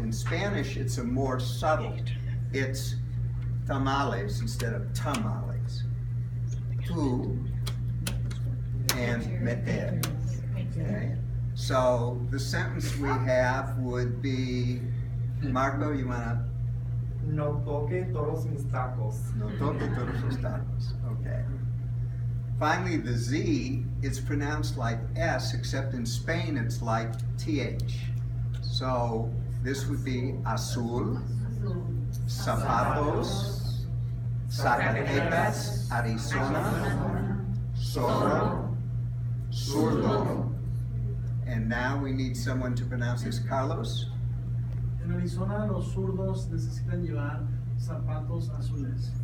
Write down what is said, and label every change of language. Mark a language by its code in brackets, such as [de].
[en] In Spanish, it's a more subtle. It's tamales instead of tamales. Tú and meter. Okay. So the sentence we have would be, Marco, you want to? [es] No toque todos mis tacos. No toque todos mis tacos. [en] Okay. Finally, the Z is pronounced like S, except in Spain it's like TH. So this would be azul, zapatos, Zacatecas, Arizona, zorro, zurdo. And now we need someone to pronounce this. Carlos? [es] En Arizona, los zurdos necesitan llevar zapatos azules.